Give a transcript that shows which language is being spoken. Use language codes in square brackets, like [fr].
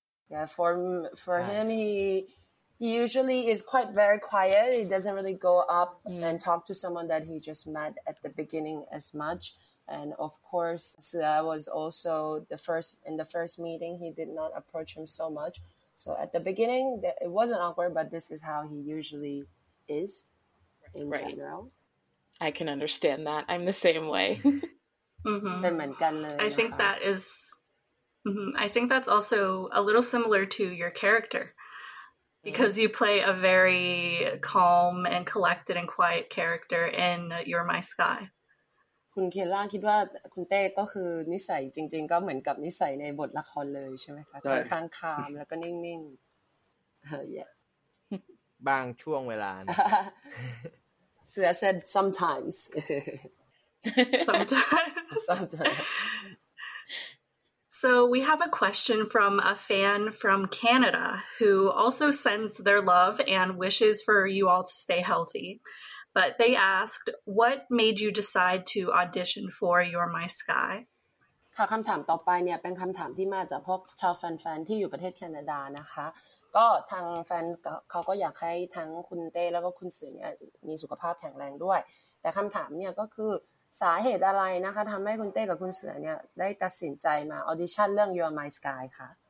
[en] Yeah for him he usually is quite very quiet. He doesn't really go up and talk to someone that he just met at the beginning as much. And of course, Sia was also in the first meeting, he did not approach him so much. So at the beginning, it wasn't awkward, but this is how he usually is in right. general. I can understand that. I'm the same way. I think that's also a little similar to your character. Because you play a very calm and collected and quiet character in You're My Sky. [th] คุณเคล่าคิดว่าคุณเต้ก็คือนิสัยจริงๆก็เหมือนกับนิสัยในบทละครเลยใช่ไหมคะ ใช่ ค่อนข้างแล้วก็นิ่งๆเฮ้ย บางช่วงเวลา [en] เสือ said sometimes sometimes So we have a question from a fan from Canada who also sends their love and wishes for you all to stay healthy. But they asked, what made you decide to audition for You're My Sky? [th] ค่ะคำถามต่อไปเนี่ยเป็นคำถามที่มาจากพวกชาวแฟนๆที่อยู่ประเทศแคนาดานะคะก็ทางแฟนเขาก็อยากให้ทั้งคุณเต้แล้วก็คุณเสือเนี่ยมีสุขภาพแข็งแรงด้วยแต่คำถามเนี่ยก็คือสาเหตุอะไรนะคะทำให้คุณเต้กับคุณเสือเนี่ยได้ตัดสินใจมาออดิชั่นเรื่อง Your My Sky คะ